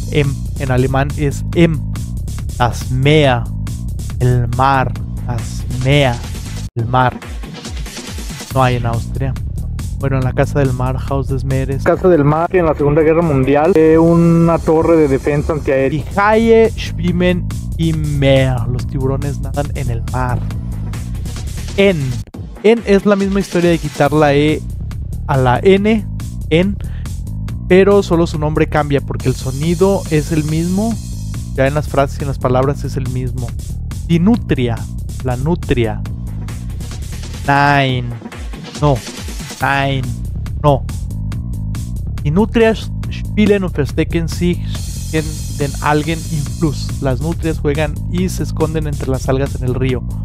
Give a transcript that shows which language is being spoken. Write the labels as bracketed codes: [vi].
[es] M. En alemán es M. Das Meer. El mar. Das Meer. El mar. No hay en Austria. Bueno, en la Casa del Mar, Haus des Meeres. Casa del Mar, que en la Segunda Guerra Mundial fue una torre de defensa antiaérea. [de] Die Haie schwimmen im Meer. [es] Los tiburones nadan en el mar. N. N es la misma historia de quitar la E a la N. En, pero solo su nombre cambia porque el sonido es el mismo. Ya en las frases y en las palabras es el mismo. Die Nutria, la nutria. Nein, no, nein, no. [de] Die Nutria spielen und verstecken sich in den Algen im Fluss. [es] Las nutrias juegan y se esconden entre las algas en el río.